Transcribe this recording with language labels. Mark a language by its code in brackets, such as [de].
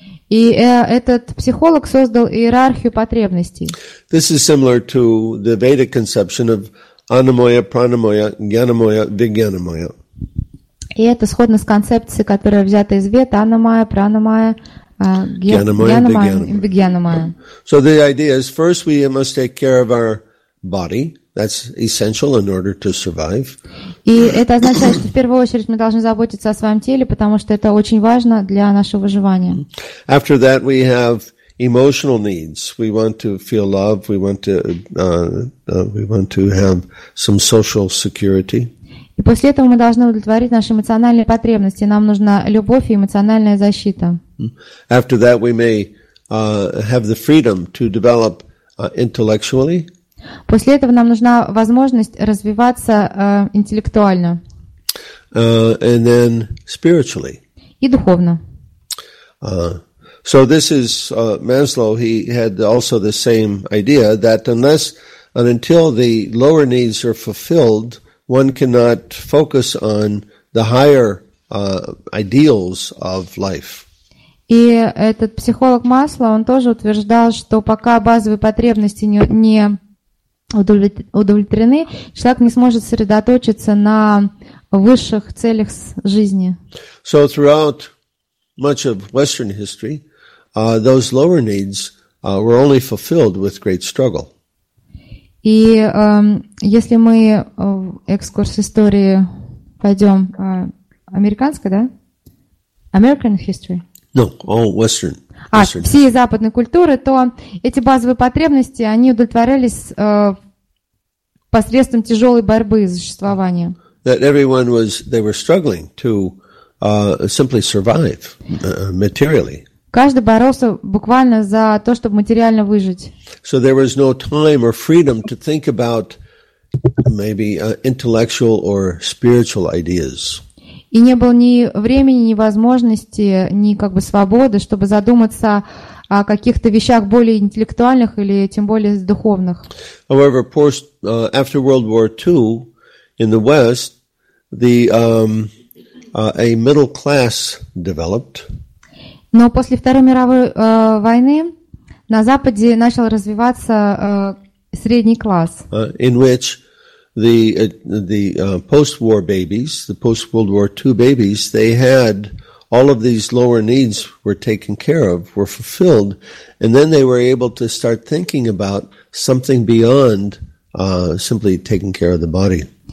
[ru] И этот психолог создал иерархию потребностей. [en] This is similar to the Vedic conception of anamoya, pranamoya, gyanamoya, vijnanamoya. [ru] И это сходно с концепцией, которая взята из Вед: анамоя, пранамоя, гьянамоя, вигьянамоя. [en] So the idea is, first we must take care of our body. That's essential in order to survive. [ru] И это означает, что в первую очередь мы должны заботиться о своем теле, потому что это очень важно для нашего выживания. [en] After that, we have emotional needs. We want to feel love. We want to have some social security. [ru] И после этого мы должны удовлетворить наши эмоциональные потребности. Нам нужна любовь и эмоциональная защита. [en] After that, we may have the freedom to develop intellectually. [ru] После этого нам нужна возможность развиваться интеллектуально. [en] And then spiritually. [ru] И духовно. [en] So this is Maslow. He had also the same idea that unless and until the lower needs are fulfilled, one cannot focus on the higher ideals of life. [ru] И этот психолог Масло, он тоже утверждал, что пока базовые потребности не удовлетворены, человек не сможет сосредоточиться на высших целях жизни. [en] So throughout much of Western history, those lower needs were only fulfilled with great struggle. [ru] И если мы в экскурс истории пойдем, американской, да? [en] American history. No, all Western. [ru] А, все западные культуры, то эти базовые потребности, они удовлетворялись посредством тяжелой борьбы за существование. [en] That everyone was, they were struggling to simply survive materially. [ru] Каждый боролся буквально за то, чтобы материально выжить. [en] So there was no time or freedom to think about maybe intellectual or spiritual ideas. [ru] И не было ни времени, ни возможности, ни как бы свободы, чтобы задуматься о каких-то вещах более интеллектуальных или тем более духовных. [en] However, after World War II in the West, the a middle class developed. [ru] Но после Второй мировой войны на Западе начал развиваться средний класс. [en] In which the post-war babies, the post-World War II babies, they had all of these lower needs were taken care of, were fulfilled, and then they were able to start thinking about something beyond simply taking care of the body.